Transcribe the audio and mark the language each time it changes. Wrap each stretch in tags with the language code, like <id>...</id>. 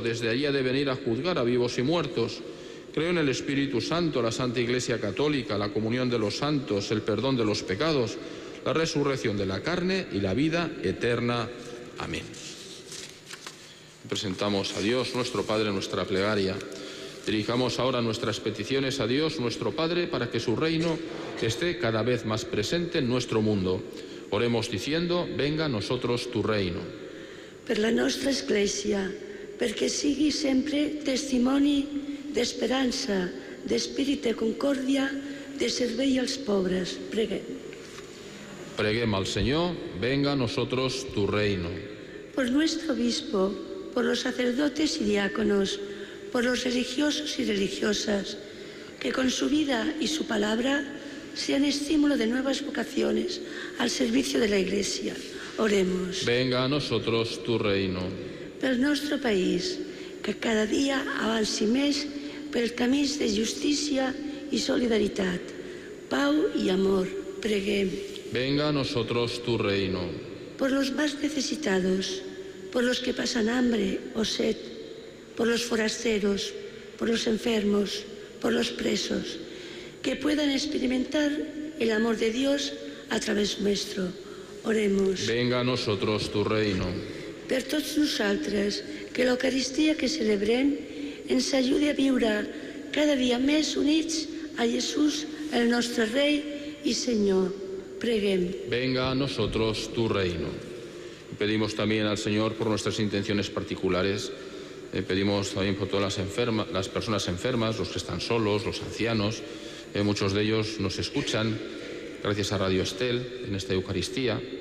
<es>Desde allí ha de venir a juzgar a vivos y muertos. Creo en el Espíritu Santo, la Santa Iglesia Católica, la comunión de los santos, el perdón de los pecados, la resurrección de la carne y la vida eterna. Amén. Presentamos a Dios, nuestro Padre, nuestra plegaria. Dirijamos ahora nuestras peticiones a Dios, nuestro Padre, para que su reino esté cada vez más presente en nuestro mundo. Oremos diciendo: venga a nosotros tu reino.</es> <ca>Per la nostra Església, perquè sigui sempre testimoni d'esperança, d'espírit de concòrdia, de servei als pobres. Preguem. Preguem al Senyor,</ca> <es>venga a nosotros tu reino. Por nuestro obispo, por los sacerdotes y diáconos, por los religiosos y religiosas, que con su vida y su palabra sean estímulo de nuevas vocaciones al servicio de la Iglesia. Oremos. Venga a nosotros tu reino.</es> <ca>Pel nostre país, que cada dia avanci més pel camí de justícia i solidaritat, pau i amor, preguem.</ca> <es>Venga a nosotros tu reino. Por los más necesitados, por los que pasan hambre o sed, por los forasteros, por los enfermos, por los presos, que puedan experimentar el amor de Dios a través nuestro. Oremos. Venga a nosotros tu reino.</es> <ca>Per tots nosaltres, que l'Eucaristia que celebrem ens ajudi a viure cada dia més units a Jesús, el nostre Rei i Senyor. Preguem.</ca> <es>Venga a nosotros tu reino. Pedimos también al Señor por nuestras intenciones particulares. Pedimos también por todas las personas enfermas, los que están solos, los ancianos. Muchos de ellos nos escuchan gracias a Radio Estel, en esta Eucaristía.</es>